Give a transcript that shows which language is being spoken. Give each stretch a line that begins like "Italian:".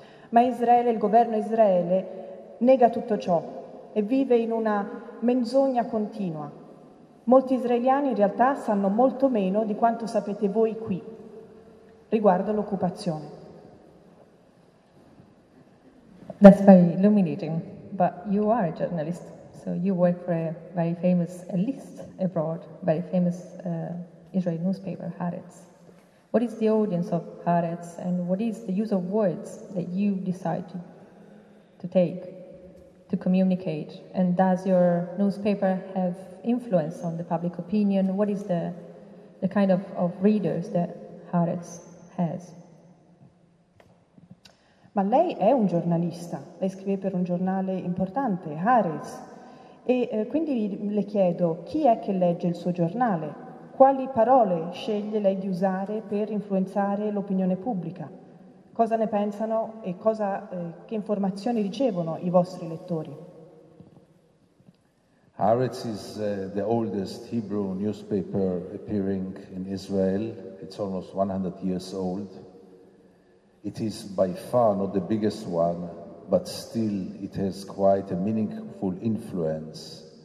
Italian: Ma Israele, il governo Israele, nega tutto ciò e vive in una menzogna continua. Molti israeliani in realtà sanno molto meno di quanto sapete voi qui riguardo l'occupazione.
English: That's very illuminating, but you are a journalist, so you work for a very famous, at least abroad, very famous Israeli newspaper, Haaretz. What is the audience of Haaretz, and what is the use of words that you decide to take to communicate? And does your newspaper have influence on the public opinion? What is the kind of readers that Haaretz has?
Italian: Ma lei è un giornalista, lei scrive per un giornale importante, Haaretz, e quindi le chiedo chi è che legge il suo giornale, quali parole sceglie lei di usare per influenzare l'opinione pubblica, cosa ne pensano e che informazioni ricevono i vostri lettori.
English: Haaretz is the oldest Hebrew newspaper appearing in Israel, it's almost 100 years old. It is by far not the biggest one, but still it has quite a meaningful influence.